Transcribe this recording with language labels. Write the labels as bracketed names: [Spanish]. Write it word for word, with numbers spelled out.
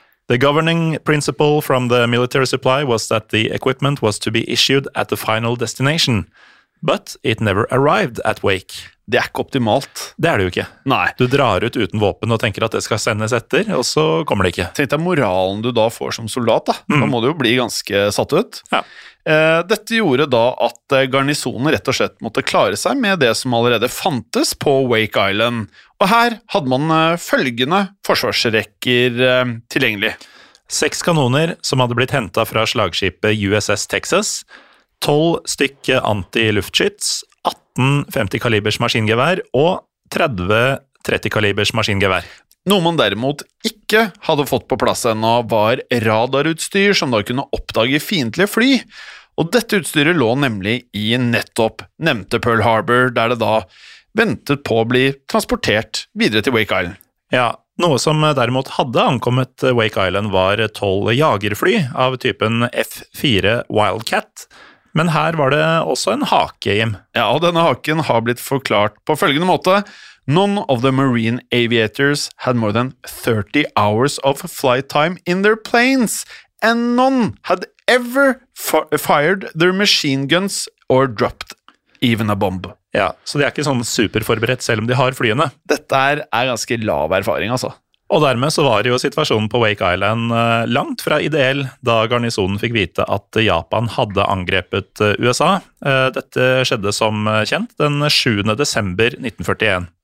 [English] The governing principle from the military supply was that the equipment was to be issued at the final destination. But it never arrived at Wake. [Norwegian] Det er ikke optimalt. Det er det jo ikke. Nei. Du drar ut uten våpen og tenker at det skal sendes etter, og så kommer det ikke. Tenk deg moralen du da får som soldat, da. Mm. Da må du jo bli ganske satt ut. Ja. Eh, dette gjorde da at garnisonen rett og slett måtte klare seg med det som allerede fantes på Wake Island. Og her hadde man følgende forsvarsrekker eh, tilgjengelig. Seks kanoner som hadde blitt hentet fra slagskipet U S S Texas, tolv stykke anti-luftskyts, atten femti-kalibers maskingevær og tretti tretti-kalibers maskingevær. Noe man derimot ikke hadde fått på plass ennå var radarutstyr som da kunne oppdage fiendtlige fly, og dette utstyret lå nemlig i nettopp nevnte Pearl Harbor, der det da ventet på å bli transportert videre til Wake Island. Ja, noe som derimot hadde ankommet Wake Island var tolv jagerfly av typen F fire Wildcat, men her var det også en hake, Jim. Ja, og denne haken har blitt forklart på følgende måte. [English] None of the marine aviators had more than thirty hours of flight time in their planes, and none had ever fired their machine guns or dropped even a bomb. [Norwegian] Ja, så de er ikke sånn superforberedt selv om de har flyene. Dette er, er ganske lav erfaring, altså. Og dermed så var jo situasjonen på Wake Island langt fra ideell da garnisonen fikk vite at Japan hadde angrepet U S A. Dette skjedde som kjent den sjuende desember nitten førtien.